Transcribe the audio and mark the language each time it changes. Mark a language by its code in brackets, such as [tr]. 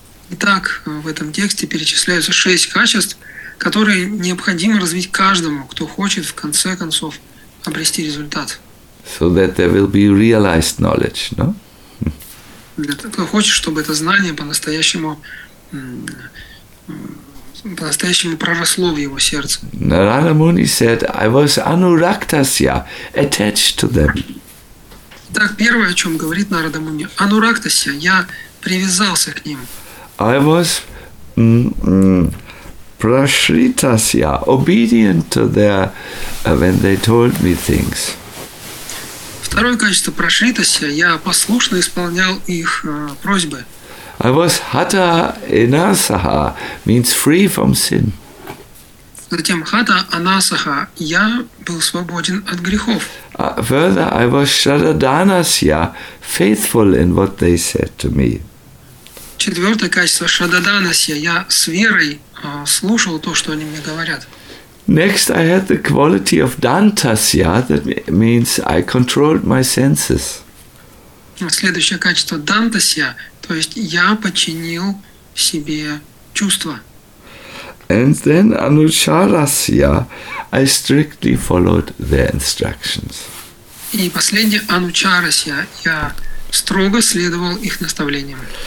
[ru] Итак, в этом тексте перечисляются шесть качеств, которые необходимо развить каждому, кто хочет в конце концов обрести результат. [en] So that there will be realized knowledge, no? [ru] Для того, кто хочет, чтобы это знание по-настоящему, по-настоящему проросло в его сердце. [en] Narada Muni said, I was anuraktasya, attached to them. [ru] Итак, первое, о чем говорит Narada Muni, anuraktasya, я привязался к ним. [en] I was prashritasya, obedient to their when they told me things. [ru] Второе качество прашритасья, я послушно исполнял их просьбы. [en] I was hata anasaha, means free from sin. [ru] Затем hata anasaha, я был свободен от грехов. [en] Further, I was shraddhanasya, faithful in what they said to me. [ru] Четвертое качество шрададанасья. Я с верой слушал то, что они мне говорят. [en] Next I had the quality of dantasya, that means I controlled my senses. [ru] Следующее качество дантасья, то есть я подчинил себе чувства. [en] And then anucharasya, I strictly followed their instructions. [ru] И последнее анучарасья, я строго следовал их наставлениям.